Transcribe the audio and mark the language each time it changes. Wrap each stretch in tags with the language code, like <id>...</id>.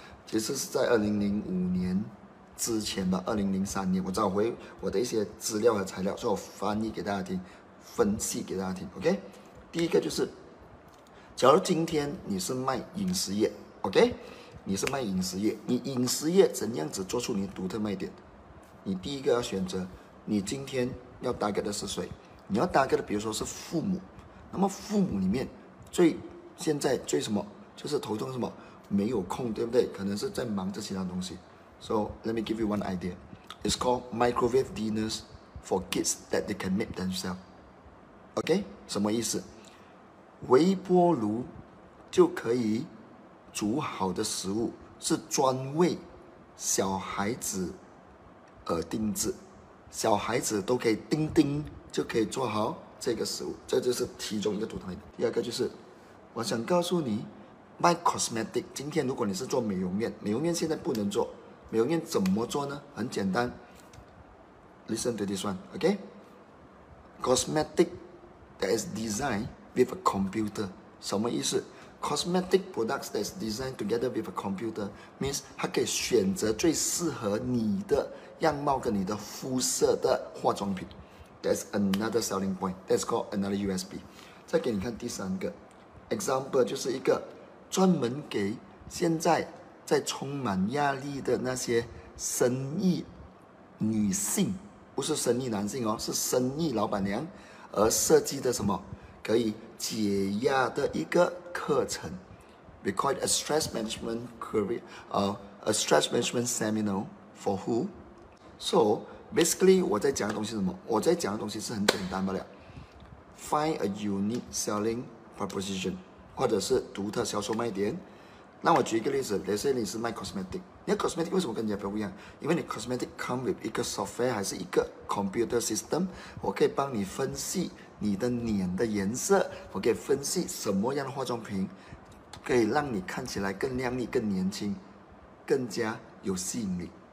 <zh>那是在2005年之前吧，2003年，我找回我的一些资料和材料，所以我翻译给大家听，分析给大家听。OK， 第一个就是，假如今天你是卖饮食业 ，OK， 你是卖饮食业，你饮食业怎样子做出你独特卖点？你第一个要选择，你今天要target的是谁？你要target的，比如说是父母，那么父母里面现在最什么？就是头痛什么？没有空，对不对？可能是在忙着其他东西。</zh> <en>So let me give you one idea. It's called microwave dinners for kids that they can make themselves.</en> <zh>OK， 什么意思？微波炉就可以煮好的食物，是专为小孩子而定制，小孩子都可以叮叮就可以做好这个食物。这就是其中一个独特点。第二个就是，我想告诉你，卖 cosmetic， 今天如果你是做美容院，美容院现在不能做。美容院怎么做呢？很简单</zh> <en>，listen to this one， OK？ Cosmetic that is designed with a computer，</en> <zh>什么意思？</zh> <en>Cosmetic products that is designed together with a computer means</en> <zh>它可以选择最适合你的样貌跟你的肤色的化妆品。</zh> <en>That's another selling point. That's called another USB.</en> <zh>再给你看第三个 example， 就是一个专门给现在在充满压力的那些生意女性，不是生意男性哦，是生意老板娘，而设计的什么可以解压的一个课程。</zh> <en>We call it a stress management career, a stress management seminar for who? So basically</en> <zh>我在讲的东西是什么？我在讲的东西是很简单罢了，</zh> <en>Find a unique selling proposition，</en> <zh>或者是独特销售卖点，那我举一个例子，例如你是卖 cosmetic， 你的 cosmetic 为什么跟人家不一样？因为你 cosmetic</zh> <en>come with</en> <zh>一个 software 还是一个 computer system， 我可以帮你分析你的脸的颜色，我可以分析什么样的化妆品可以让你看起来更亮丽、更年轻、更加有吸引力。</zh>